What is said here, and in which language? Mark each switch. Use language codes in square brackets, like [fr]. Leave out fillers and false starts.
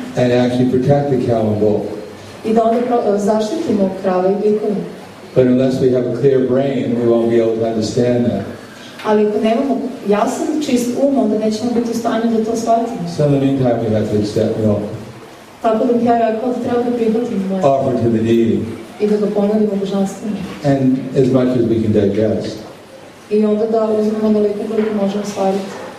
[en] And actually protect the cow and bull. [hr] I da onda zaštitimo krave i bikove. [en] But unless we have a clear brain, we won't be able to understand that. [hr] Ali ako nemamo jasan, čist um, onda nećemo biti u stanju da to shvatimo. [en] So in the meantime, we have to accept the offer. [hr] Tako da bih ja rekao da treba da prihvatimo. [en] Offer to the deity. [hr] I da ga ponudimo božanstveno. [en] And as much as we can digest. [hr] I onda da uzmemo onoliko koliko možemo shvatiti.